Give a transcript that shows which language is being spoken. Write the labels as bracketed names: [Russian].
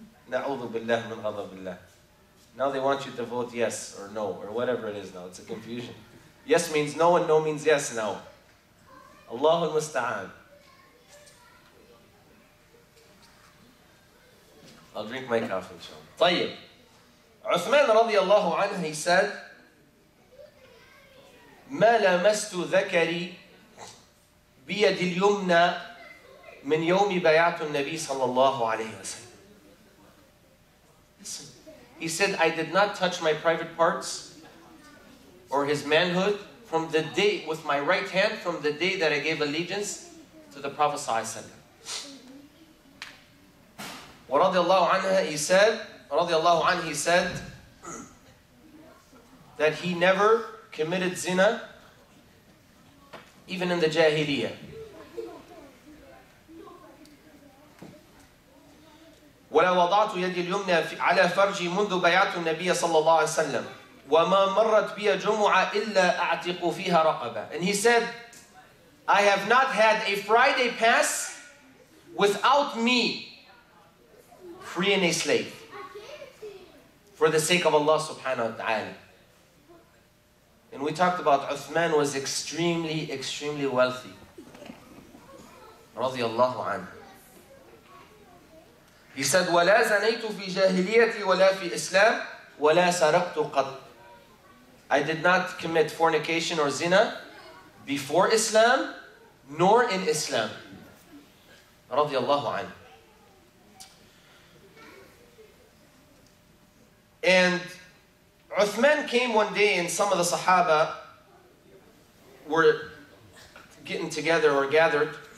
[English] Na'udhu billah min ghadabillah. Now they want you to vote yes or no or whatever it is now. It's a confusion. Yes means no and no means yes now. Allahu musta'an. I'll drink my coffee, inshallah. Tayyib. Uthman radiallahu anhu, he said, [Arabic] مَا لَمَسْتُ ذَكَرِي بِيَدِ الْيُمْنَى مِنْ يَوْمِ بَيَعْتُ النَّبِي صَلَّى اللَّهُ عَلَيْهِ وَسَلَّمُ. [English] He said, I did not touch my private parts or his manhood from the day, with my right hand, from the day that I gave allegiance to the Prophet sallallahu alayhi wa sallam. He said that he never committed zina, even in the jahiliyyah. [Arabic] وَلَا وَضَعْتُ يَدِي الْيُمْنَى عَلَى فَرْجِي مُنْذُ بَيَعْتُ النَّبِيَّ صَلَّى اللَّهُ عَلَيْهِ وَسَلَّمَ وَمَا مَرَّتْ بِيَ جُمُعَ إِلَّا أَعْتِقُ فِيهَا رَقَبًا. [English] And he said, I have not had a Friday pass without me freeing a slave for the sake of Allah subhanahu wa ta'ala. And we talked about Uthman was extremely, extremely wealthy. Radiallahu anhu. He said, [Arabic] وَلَا زَنَيْتُ فِي جَاهِلِيَّةِ وَلَا فِي إِسْلَامِ وَلَا سَرَقْتُ قَدْ. [English] I did not commit fornication or zina before Islam, nor in Islam. Radiallahu anhu. And Uthman came one day and some of the Sahaba were getting together or gathered.